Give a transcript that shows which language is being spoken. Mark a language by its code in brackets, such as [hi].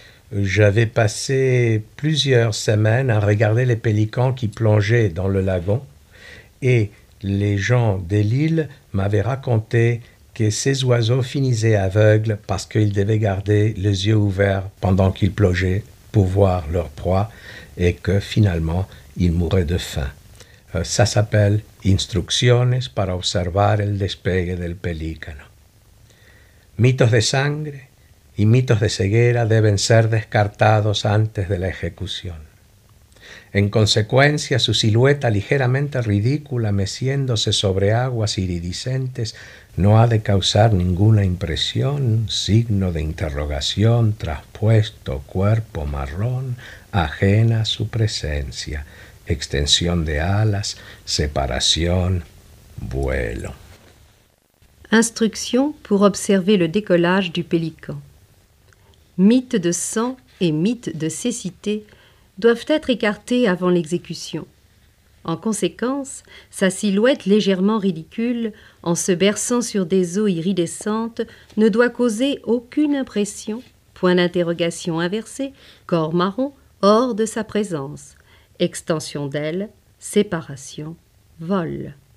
[fr] J'avais passé plusieurs semaines à regarder les pélicans qui plongeaient dans le lagon et les gens de l'île m'avaient raconté que ces oiseaux finissaient aveugles parce qu'ils devaient garder les yeux ouverts pendant qu'ils plongeaient pour voir leur proie et que finalement ils mouraient de faim. Ça s'appelle [es] Instrucciones para observar el despegue del pelícano. Mitos de sangre y mitos de ceguera deben ser descartados antes de la ejecución. En consecuencia, su silueta ligeramente ridícula meciéndose sobre aguas iridiscentes no ha de causar ninguna impresión, signo de interrogación, traspuesto, cuerpo marrón, ajena a su presencia. Extensión de alas, separación, vuelo. [fr] Instructions pour observer le décollage du pélican. Mythes de sang et mythes de cécité doivent être écartés avant l'exécution. En conséquence, sa silhouette légèrement ridicule, en se berçant sur des eaux iridescentes, ne doit causer aucune impression, point d'interrogation inversé, corps marron hors de sa présence, extension d'ailes, séparation, vol.